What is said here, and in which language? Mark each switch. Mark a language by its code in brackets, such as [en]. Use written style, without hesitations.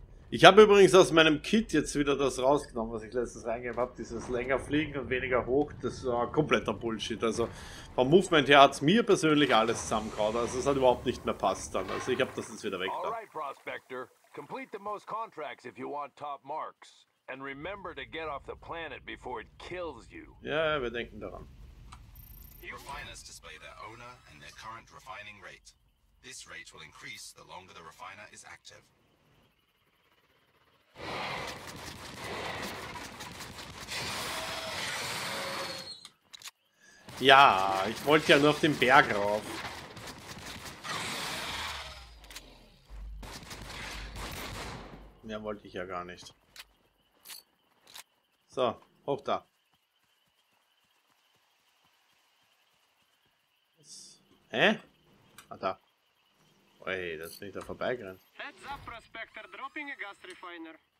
[de] Ich habe übrigens aus meinem Kit jetzt wieder das rausgenommen, was ich letztens reingegeben habe. Dieses länger fliegen und weniger hoch, das war kompletter Bullshit. Also vom Movement her hat es mir persönlich alles zusammengehauen. Also es hat überhaupt nicht mehr passt dann. Also ich habe das jetzt wieder weg. [en] Dann. Alright, Prospector. Complete the most contracts if you want top marks. And remember to get off the planet before it kills you. [de] Ja, wir denken daran. [en] Your refiners display their owner and their current refining rate. This rate will increase the longer the refiner is active. [de] Ja, ich wollte ja nur auf den Berg rauf. Mehr wollte ich ja gar nicht. So, hoch da. Hä? Ah, da. Oh, ey, das ist nicht da vorbeigerannt. [en] That's up, Prospector, dropping a gas refiner.